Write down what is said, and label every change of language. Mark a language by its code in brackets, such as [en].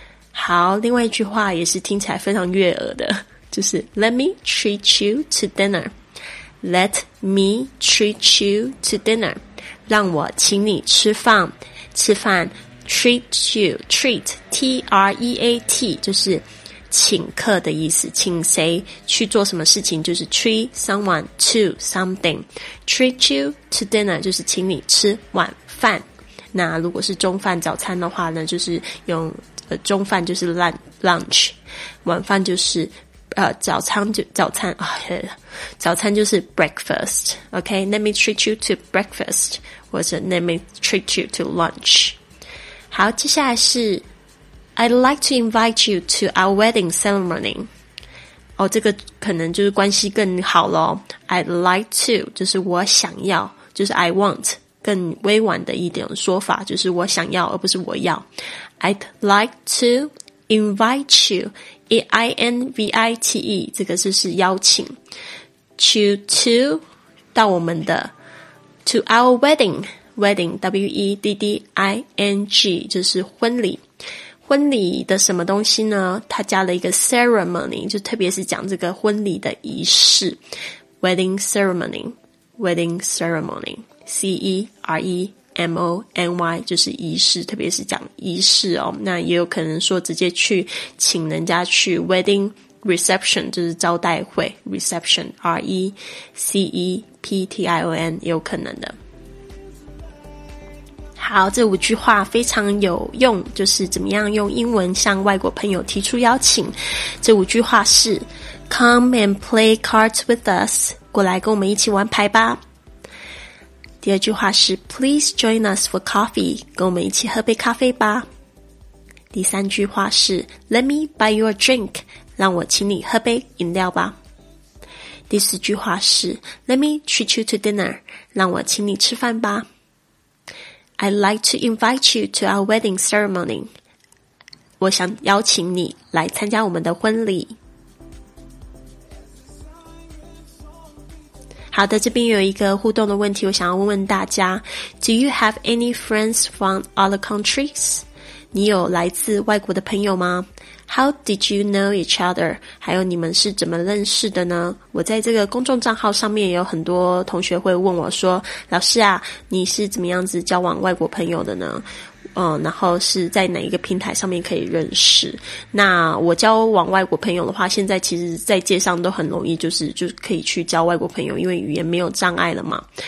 [en] 好，另外一句话也是听起来非常悦耳的，就是 Let me treat you to dinner, Let me treat you to dinner, [zh] 让我请你吃饭。吃饭 treat you, treat, T-R-E-A-T, 就是请客的意思，请谁去做什么事情，就是 [en] treat someone to something, treat you to dinner, [zh] 就是请你吃晚饭。那如果是中饭早餐的话呢，就是用中饭就是 lunch, 晚饭就是早餐就是 breakfast, OK, [en] let me treat you to breakfast, [zh] 或者 [en] let me treat you to lunch. [zh] 好，接下来是 [en] I'd like to invite you to our wedding ceremony. [zh] 哦，这个可能就是关系更好咯。I'd like to, 就是我想要，就是 I want, 更委婉的一点说法，就是我想要而不是我要。 [en] I'd like to invite you,I-N-V-I-T-E, [zh] 这个就是邀请 [en] to 到我们的 to our wedding, W-E-D-D-I-N-G, [zh] 就是婚礼。婚礼的什么东西呢？它加了一个 ceremony, 就特别是讲这个婚礼的仪式， wedding ceremony, C-E-R-E,M-O-N-Y, 就是仪式，特别是讲仪式哦。那也有可能说直接去请人家去 wedding reception, 就是招待会 reception, R-E-C-E-P-T-I-O-N, 也有可能的。好，这五句话非常有用，就是怎么样用英文向外国朋友提出邀请。这五句话是 [en] Come and play cards with us, [zh] 过来跟我们一起玩牌吧。第二句话是 [en] Please join us for coffee, [zh] 跟我们一起喝杯咖啡吧。第三句话是 [en] Let me buy you a drink, [zh] 让我请你喝杯饮料吧。第四句话是 [en] Let me treat you to dinner, [zh] 让我请你吃饭吧。 [en] I'd like to invite you to our wedding ceremony, [zh] 我想邀请你来参加我们的婚礼。好的，这边有一个互动的问题，我想要问问大家 [en] Do you have any friends from other countries? [zh] 你有来自外国的朋友吗？ [en] How did you know each other? [zh] 还有你们是怎么认识的呢？我在这个公众账号上面有很多同学会问我说，老师啊，你是怎么样子交往外国朋友的呢？然后是在哪一个平台上面可以认识。那我交往外国朋友的话，现在其实在街上都很容易，就是可以去交外国朋友，因为语言没有障碍了嘛。